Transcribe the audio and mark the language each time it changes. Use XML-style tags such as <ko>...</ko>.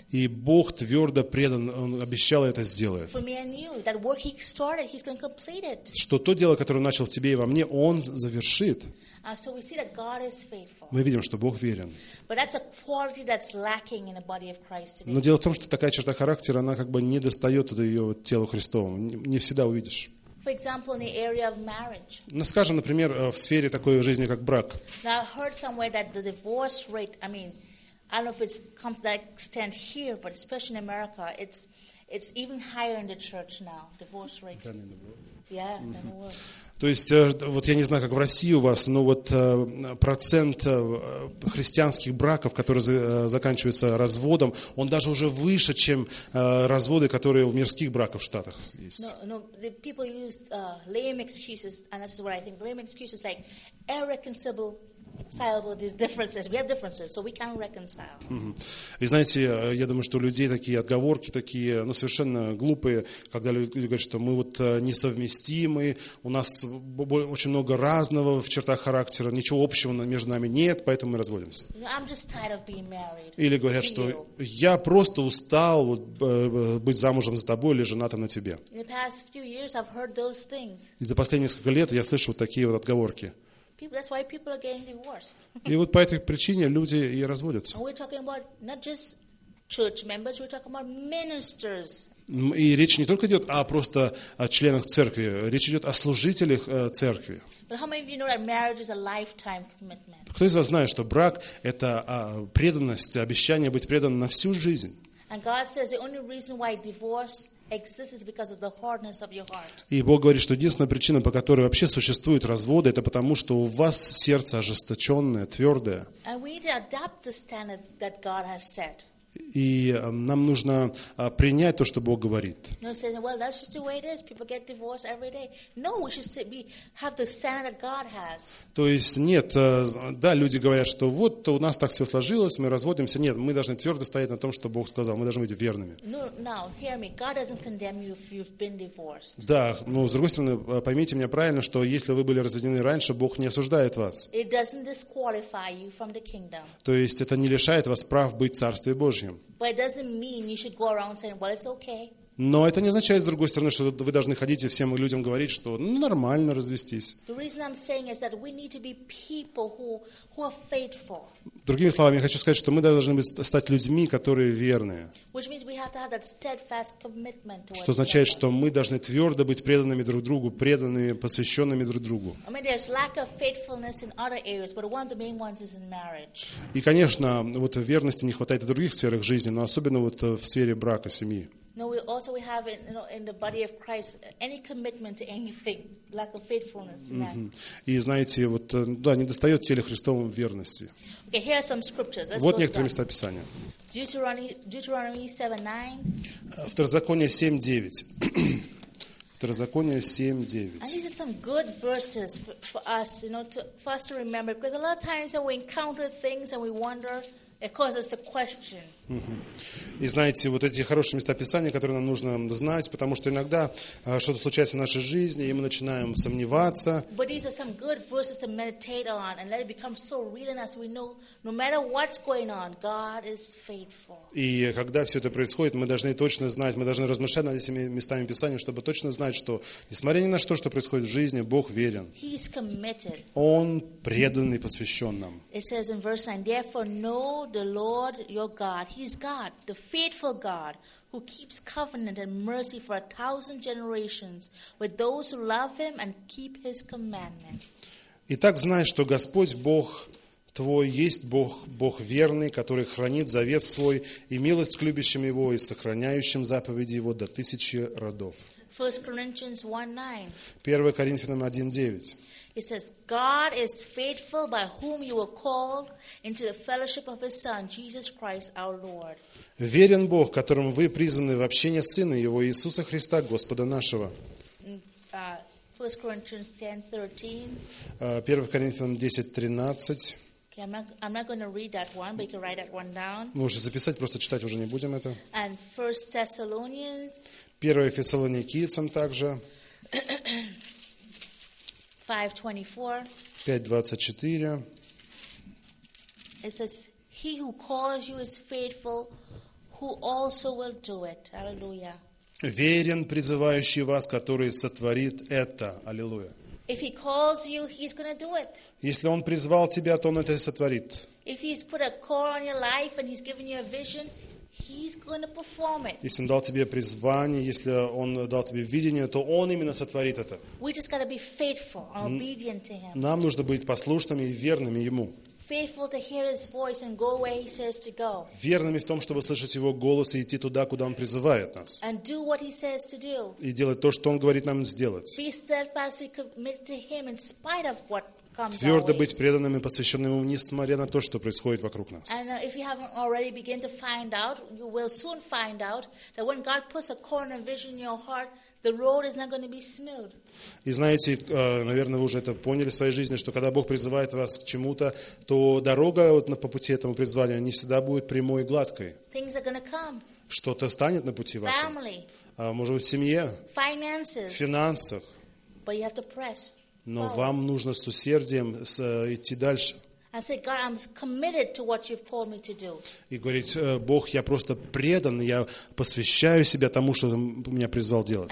<ru>И Бог твердо предан, он обещал это сделать.</ru> <en>For me and you, that work he started, he's going to complete it.</en> <ru>Что то дело, которое начал в тебе и во мне, он завершит.</ru> <en>So we see that God is faithful.</en> <ru>Мы видим, что Бог верен.</ru> <en>But that's a quality that's lacking in the body of Christ today.</en> <ru>Но дело в том, что такая черта характера, она как бы не достает туда ее телу Христовому. Не всегда увидишь.</ru> <en>For example, in the area of marriage.</en> <ru>Ну, скажем, например, в сфере такой жизни, как брак.</ru> <en>Now I heard somewhere that the divorce rate, I mean, I don't know if it's come to that extent here, but especially in America, it's even higher in the church now, divorce rate. Than in the world. Yeah, mm-hmm. than the world.</en> <ru>То есть, вот я не знаю, как в России у вас, но вот процент христианских браков, которые заканчиваются разводом, он даже уже выше, чем разводы, которые в мирских браках в Штатах есть.</ru> <en>No, the people use lame excuses, and this is what I think, lame excuses like irreconcilable. These differences. We have differences, so we can reconcile.</en> <ru>И знаете, я думаю, что у людей такие отговорки, такие, ну, совершенно глупые, когда люди говорят, что мы вот несовместимы, у нас очень много разного в чертах характера, ничего общего между нами нет, поэтому мы разводимся.</ru> <en>I'm just tired of being married.</en> <ru>Или говорят, что я просто устал быть замужем за тобой или женатым на тебе.</ru> <en>In the past few years, I've heard those things.</en> <ru>И за последние несколько лет я слышу вот такие вот отговорки.</ru> <en>People, that's why people are getting divorced.</en> <ru>И вот по этой причине люди и разводятся.</ru> <en>We're talking about not just church members, we're talking about ministers.</en> <ru>И речь не только идет о просто о членах церкви, речь идет о служителях церкви.</ru> <en>But how many of you know that marriage is a lifetime commitment?</en> <ru>Кто из вас знает, что брак это преданность, обещание быть преданным на всю жизнь?</ru> <en>And God says the only reason why divorce exists because of the hardness of your heart.</en> <ru>И Бог говорит, что единственная причина, по которой вообще существуют разводы, это потому, что у вас сердце ожесточенное, твердое.</ru> <en>And we need to adapt the standard that God has set.</en> <ru>И нам нужно принять то, что Бог говорит.</ru> <en>No, saying, well, that's just the way it is. People get divorced every day. No, we should have the standard that God has.</en> <ru>То есть нет, да, люди говорят, что вот у нас так все сложилось, мы разводимся. Нет, мы должны твердо стоять на том, что Бог сказал. Мы должны быть верными.</ru> <en>No, now hear me. God doesn't condemn you if you've been divorced.</en> <ru>Да, но с другой стороны, поймите меня правильно, что если вы были разведены раньше, Бог не осуждает вас.</ru> <en>It doesn't disqualify you from the kingdom.</en> <ru>То есть это не лишает вас прав быть в Царстве Божьем.</ru> <en>But it doesn't mean you should go around saying, "Well, it's okay."</en> <ru>Но это не означает, с другой стороны, что вы должны ходить и всем людям говорить, что ну, нормально развестись.</ru> <en>The reason I'm saying is that we need to be people who are faithful.</en> <ru>Другими словами, я хочу сказать, что мы должны стать людьми, которые верные.</ru> <en>Which means we have to have that steadfast commitment to each other.</en> <ru>Что означает, что мы должны твердо быть преданными друг другу, преданными, посвященными друг другу.</ru> <en>I mean, there's lack of faithfulness in other areas, but one of the main ones is in marriage.</en> <ru>И, конечно, вот верности не хватает в других сферах жизни, но особенно вот в сфере брака, семьи.</ru> <en>No, we also we have in, you know, in the body of Christ any commitment to anything, lack of faithfulness.</en> <ru>И знаете, вот да, недостает теле Христовому верности.</ru> <en>Okay, here are some scriptures. Let's</en> <ru>вот некоторые места Писания.</ru> <en>Deuteronomy 7:9.</en> <ru>Второзаконие 7:9. Второзаконие 7:9.</ru> <en>And these are some good verses for us, you know, for us to remember, because a lot of times when we encounter things and we wonder. It causes a question.</en> <ru>И знаете, вот эти хорошие места Писания, которые нам нужно знать, потому что иногда что-то случается в нашей жизни, и мы начинаем сомневаться.</ru> <en>But these are some good verses to meditate on, and let it become so real in us. We know, no matter what's going on, God is faithful.</en> <ru>И когда все это происходит, мы должны точно знать, мы должны размышлять над этими местами Писания, чтобы точно знать, что несмотря ни на что, что происходит в жизни, Бог верен.</ru> <en>He is committed.</en> <ru>Он преданный, посвящен нам.</ru> <en>It says in verse 9, therefore know the Lord your God. He's God, the faithful God, who keeps covenant and mercy for 1,000 generations with those who love him and keep his commandments.</en> <ru>Итак, знай, что Господь Бог твой есть Бог, Бог верный, который хранит завет свой и милость к любящим его и сохраняющим заповеди его до тысячи родов. 1 Коринфянам 1:9.</ru> <en>It says, God is faithful by whom you were called into the fellowship of His Son, Jesus Christ, our Lord.</en> <ru>Верен Бог, которому вы призваны в общение Сына Его, Иисуса Христа, Господа нашего.</ru> <en>1 Corinthians 10:13.</en> <ru>1 Коринфянам 10:13.</ru> <en>Okay, I'm not going to read that one, but you can write that one down.</en> <ru>Можете записать, просто читать уже не будем это.</ru> <en>And 1 Thessalonians.</en> <ru>1 Фессалоникийцам также.</ru> <en>5:24. It says, "He who calls you is faithful, who also will do it."</en> <ru>Аллилуйя. Верен призывающий вас, который сотворит это. Аллилуйя.</ru> <en>If he calls you, he's going to do it.</en> <ru>Если он призвал тебя, то он это сотворит.</ru> <en>If he's put a call on your life and he's given you a vision, he's going to perform it.</en> <ru>Если он дал тебе призвание, если он дал тебе видение, то он именно сотворит это.</ru> <en>We just got to be faithful and obedient to him.</en> <ru>Нам нужно быть послушными и верными ему.</ru> <en>Faithful to hear his voice and go where he says to go.</en> <ru>Верными в том, чтобы слышать его голос и идти туда, куда он призывает нас.</ru> <en>And do what he says to do.</en> <ru>И делать то, что он говорит нам сделать.</ru> <en>Be steadfastly committed to him in spite of what comes.</en> <ru>Твердо быть преданным и посвященным ему, несмотря на то, что происходит вокруг нас.</ru> <en>And if you haven't already begin to find out, you will soon find out that when God puts a corner vision in your heart, the road is not going to be smooth.</en> <ru>И знаете, наверное, вы уже это поняли в своей жизни, что когда Бог призывает вас к чему-то, то дорога вот по пути этому призванию не всегда будет прямой и гладкой.</ru> <en>Things are going to come.</en> <ru>Что-то станет на пути вашем.</ru> <en>Family.</en> <ru>Может быть, в семье.</ru> <en>Finances.</en> <ru>В финансах.</ru> <en>But you have to press.</en> <ru>Но вам нужно с усердием идти дальше.</ru> <en>I say, God, I'm committed to what you've called me to do.</en> <ru>И говорить, Бог, я просто предан, я посвящаю себя тому, что ты меня призвал делать.</ru>